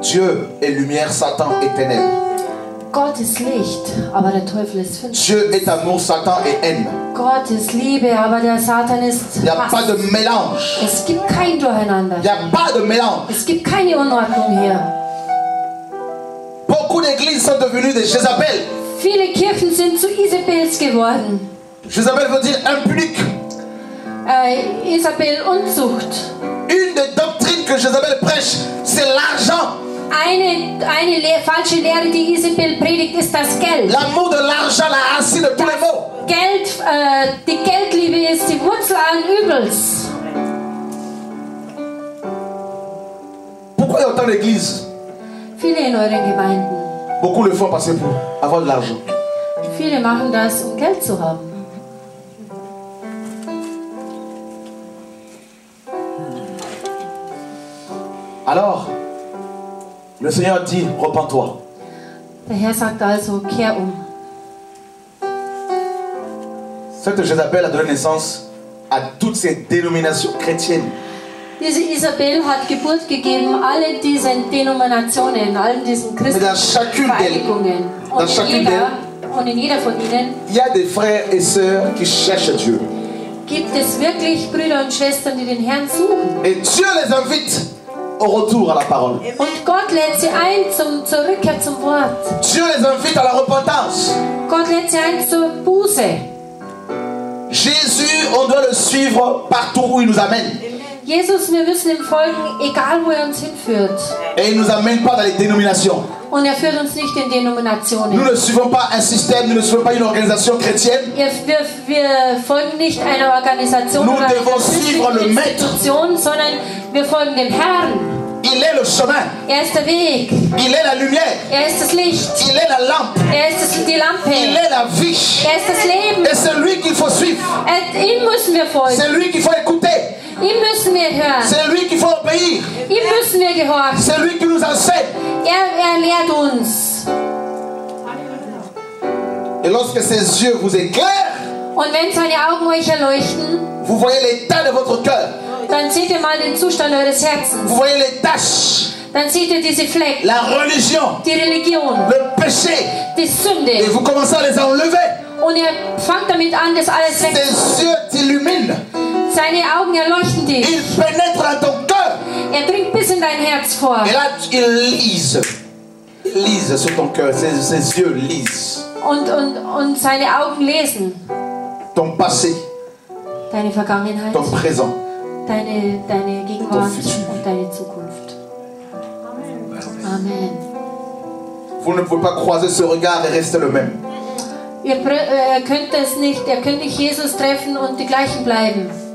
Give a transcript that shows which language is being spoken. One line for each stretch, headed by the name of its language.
French: Dieu est lumière, Satan est ténèbres.
German: Gott ist Licht, aber der Teufel ist Finsternis.
French: Dieu est amour, Satan est haine.
German: Gott ist Liebe, aber der Satan ist Hass.
French: Il y a pas de mélange.
German: Es gibt kein Durcheinander.
French: Il y a pas de mélange.
German: Es gibt keine Unordnung hier.
French: Beaucoup d'églises sont devenues des Jezabel.
German: Viele Kirchen sind zu Isabels geworden.
French: Jezabel veut dire impudique.
German: Isabel, Unzucht.
French: Une des doctrines que Jezabel prêche, c'est l'argent.
German: Eine falsche Lehre, die Isabel predigt, ist das Geld.
French: L'amour de l'argent, la racine de tous les maux.
German: Geld, die Geldliebe ist die Wurzel allen Übels.
French: en église.
German: Viele in euren Gemeinden.
French: Beaucoup le font passer pour avoir de l'argent.
German: Viele machen das, um Geld zu haben.
French: Alors, le Seigneur dit, repens-toi.
German: Der Herr sagt also, kehr um.
French: Ce que Jézabel a donné naissance à toutes ces dénominations chrétiennes.
German: Diese Isabel hat Geburt gegeben alle diesen Denominationen, all diesen christlichen Vereinigungen. Und in jeder von ihnen
French: y a des frères et sœurs qui cherchent Dieu.
German: Gibt es wirklich Brüder und Schwestern, die den Herrn suchen?
French: Et Dieu les invite au retour à la parole.
German: Und Gott lädt sie ein zur Rückkehr zum Wort.
French: Dieu les invite à la repentance.
German: Gott lädt sie ein zur Buße.
French: Jésus, on doit le suivre partout où il nous amène.
German: Jesus, wir müssen ihm folgen, egal wo uns hinführt.
French: Et il nous amène pas dans les dénominations.
German: Und führt uns nicht in Denominationen.
French: Nous ne suivons pas un système, nous ne suivons pas une organisation chrétienne.
German: Wir folgen nicht einer Organisation.
French: Nous devons suivre le maître.
German: Sondern wir folgen dem Herrn.
French: Il est le chemin.
German: Er ist der Weg.
French: Il est la lumière.
German: Er ist das Licht.
French: Il est la lampe.
German: Er ist die Lampe.
French: Il est la vie.
German: Er ist das Leben.
French: Et c'est lui qu'il faut suivre.
German: Et ihm müssen wir folgen.
French: C'est lui qu'il faut écouter.
German: Ihm müssen wir hören.
French: C'est lui qu'il faut obéir.
German: Ihm müssen wir gehorchen.
French: C'est lui qui nous enseigne.
German: Er lehrt uns.
French: Et lorsque ses yeux vous éclairent,
German: und wenn seine Augen euch erleuchten,
French: vous voyez l'état de votre cœur.
German: Dann seht ihr mal den Zustand eures Herzens.
French: Vous voyez les taches.
German: Dann seht ihr diese Flecken.
French: La religion.
German: Die Religion.
French: Le péché.
German: Die Sünde.
French: Et vous commencez à les enlever.
German: Und ihr fangt damit an, das alles weg.
French: Ses yeux t'illuminent.
German: Seine Augen erleuchten dich.
French: Il pénètre dans ton cœur.
German: Er dringt bis in dein Herz vor.
French: Et là, il lise. Il lise sur ton cœur. Ses yeux lisent.
German: Und seine Augen lesen.
French: Ton passé.
German: Deine Vergangenheit.
French: Ton présent.
German: Deine Gegenwart und deine Zukunft.
French: Amen. Vous ne pouvez pas croiser ce regard et rester le même.
German: Ihr könnt nicht Jesus treffen und die gleichen bleiben.